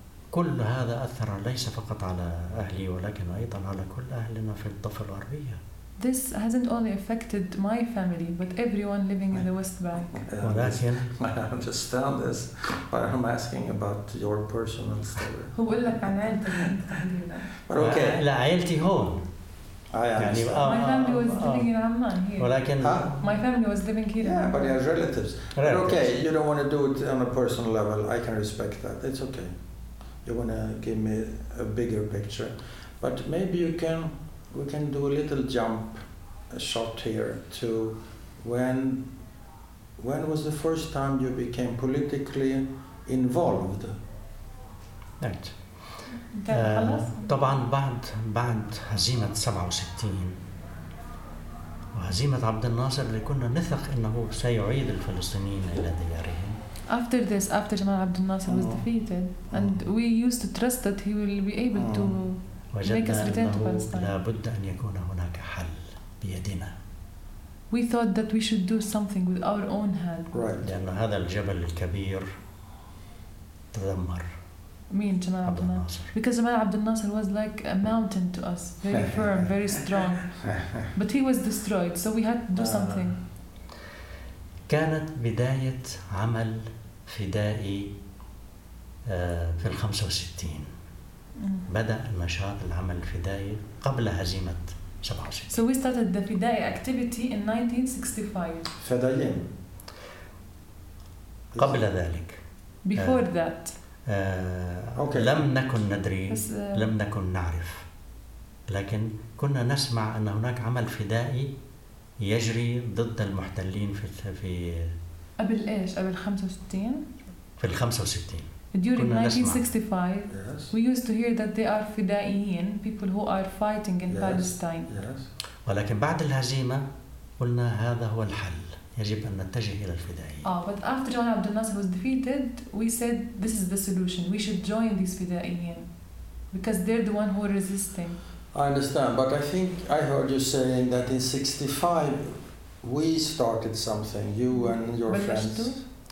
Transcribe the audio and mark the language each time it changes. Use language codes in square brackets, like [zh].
[ar] كل هذا أثر ليس فقط على أهلي ولكن أيضا على كل أهلنا في الضفة الغربية. [en] This hasn't only affected my family, but everyone living in the West Bank. [ar] ولكن [en] I understand this, but I'm asking about your personal story. [ar] هو لك عن عيلتي. [en] But okay. [ar] لا عيلتي هون. يعني [en] my family was living in Amman here. [ar] ولكن [en] my family was living here. Yeah, but you have relatives. Relatives. Okay, you don't want to do it on a personal level. I can respect that. It's okay. You want to give me a bigger picture. But maybe we can do a little jump, a shot here to when was the first time you became politically involved? Right. [ar] طبعا بعد هزيمة 67 وهزيمة عبد الناصر اللي كنا نثق إنه سيعيد الفلسطينيين إلى ديارهم. [en] After this, after Jamal Abdel Nasser was defeated, and we used to trust that he will be able to make us return to Palestine. [ar] لابد أن يكون هناك حل بيدنا. [en] We thought that we should do something with our own hand. Right. [ar] لأن هذا الجبل الكبير تدمر. [en] Mean Jamal Abdel Nasser. Because Jamal Abdel Nasser was like a mountain to us, very firm, very strong. But he was destroyed, so we had to do something. [ar] كانت بداية عمل فدائي في 65. بدأ نشاط العمل الفدائي قبل هزيمة 67. [en] So we started the fidai activity in 1965. [ar] فدائيين. قبل ذلك. [en] Before that. Okay. [ar] لم نكن ندري لم نكن نعرف لكن كنا نسمع أن هناك عمل فدائي يجري ضد المحتلين في قبل إيش؟ قبل 65؟ في 65 [en] during 1965 yes. We used to hear that they are فدائيين, people who are fighting in yes. Palestine yes. [ar] ولكن بعد الهزيمة قلنا هذا هو الحل يجب أن نتجه إلى الفدائيين. [en] But after Jamal Abdel Nasser was defeated, we said this is the solution. We should join these فدائيين, because they're the one who are resisting. I understand, but I think I heard you saying that in 65 we started something, you and your friends.